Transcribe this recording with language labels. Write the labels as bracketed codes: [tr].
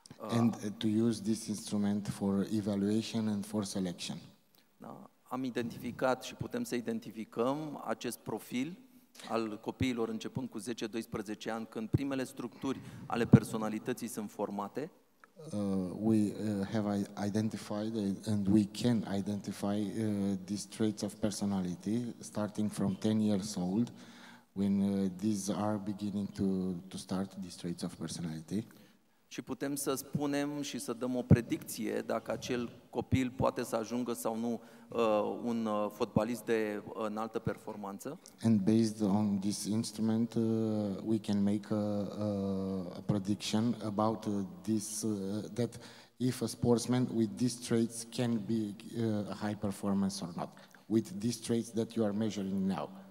[en] And to use this instrument for evaluation and for selection. [ro] am identificat și putem să identificăm acest profil al copiilor începând cu 10-12 ani, când primele structuri ale personalității sunt formate. [en] We have identified and we can identify these traits of personality starting from 10 years old, when these are beginning to start, these traits of personality. [ro] Și putem să spunem și să dăm o predicție dacă acel copil poate să ajungă sau nu un fotbalist de înaltă performanță. [en] And based on this instrument, we can make a prediction about this, that if a sportsman with these traits can be a high performance or not, with these traits that you are measuring now.